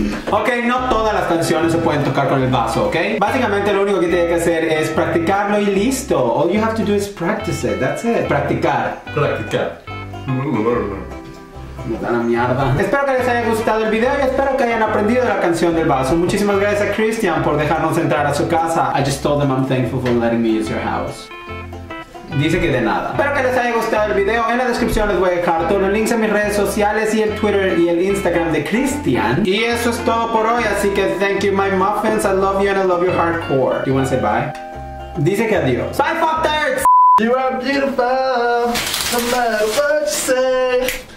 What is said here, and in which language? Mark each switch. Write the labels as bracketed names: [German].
[Spanish] Ok, no todas las canciones se pueden tocar con el vaso, ¿ok? Básicamente lo único que tienes que hacer es practicarlo y listo. [English] All you have to do is practice it, that's it. [Spanish] Practicar. Practicar. Me da la mierda. Espero que les haya gustado el video y espero que hayan aprendido la canción del vaso. Muchísimas gracias a Christian por dejarnos entrar a su casa. [English] I just told them I'm thankful for letting me use your house. [Spanish] Dice que de nada. Espero que les haya gustado el video. En la descripción les voy a dejar todos los links a mis redes sociales y el Twitter y el Instagram de Christian. Y eso es todo por hoy, así que [English] thank you my muffins. I love you and I love you hardcore. You wanna say bye? [Spanish] Dice que adiós. [English] Bye, fuck nerds! You are beautiful, no matter what you say.